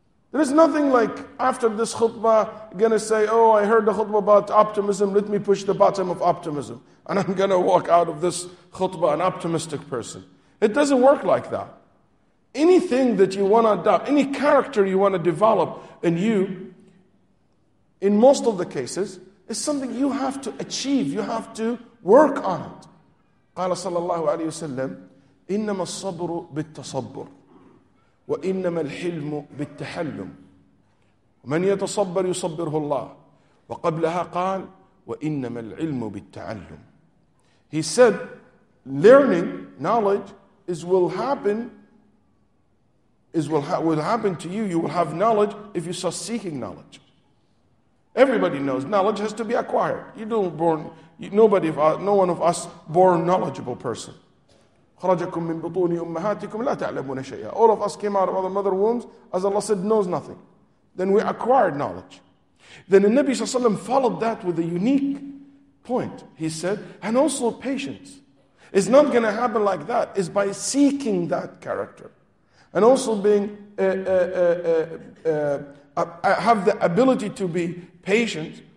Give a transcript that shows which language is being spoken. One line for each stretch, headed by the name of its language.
English: There is nothing like after this khutbah, going to say, oh, I heard the khutbah about optimism, let me push the bottom of optimism, and I'm going to walk out of this khutbah an optimistic person. It doesn't work like that. Anything that you want to adopt, any character you want to develop in you, in most of the cases, is something you have to achieve. You have to work on it.
Arabic: قال صلى الله عليه وسلم إنما الصبر بالتصبر وإنما الحلم بالتحلم ومن يتصبر يصبره الله وقبلها قال وإنما العلم بالتعلم.
English: He said, learning, knowledge, will happen to you. You will have knowledge if you start seeking knowledge. Everybody knows knowledge has to be acquired. No one of us born knowledgeable person.
Arabic: خرجكم من بطون أمهاتكم لا تعلمون شيئا.
English: All of us came out of our mother wombs, as Allah said, knows nothing. Then we acquired knowledge. Then the Nabi sallallahu alaihi wasallam followed that with a unique point, he said, and also patience. It's not going to happen like that. It's by seeking that character. And also being have the ability to be patient.